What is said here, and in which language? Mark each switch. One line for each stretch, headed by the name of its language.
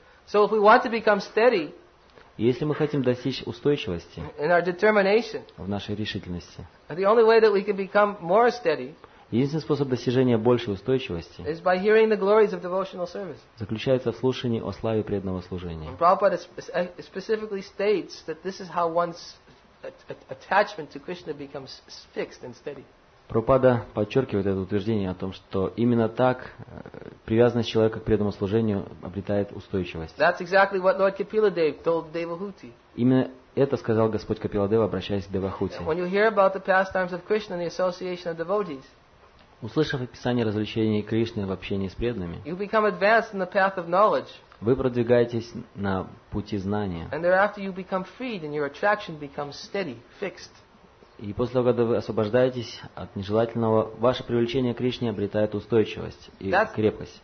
English: So if we want to become steady,
Russian: если мы хотим достичь устойчивости
English: in our determination,
Russian: в нашей решительности,
English: the only way that we can become more steady,
Russian: единственный способ достижения большей устойчивости
English: is by hearing the glories of devotional service.
Russian: Заключается в слушании о славе преданного служения.
English: Prabhupada specifically states that this is how one's attachment to Krishna becomes fixed and steady.
Russian: Прабхупада подчеркивает это утверждение о том, что именно так привязанность человека к преданному служению обретает устойчивость.
English: That's exactly what Lord Kapiladeva told Devahuti.
Russian: Именно это сказал Господь Капиладева, обращаясь к Девахути.
English: When you hear about the pastimes of Krishna and the association of devotees,
Russian: услышав описание развлечений Кришны в общении с преданными,
English: you become advanced in the path of knowledge.
Russian: Вы продвигаетесь на пути знания.
English: And thereafter you become freed and your attraction becomes steady, fixed.
Russian: И после того, когда вы освобождаетесь от нежелательного, ваше привлечение к Кришне обретает устойчивость и крепость.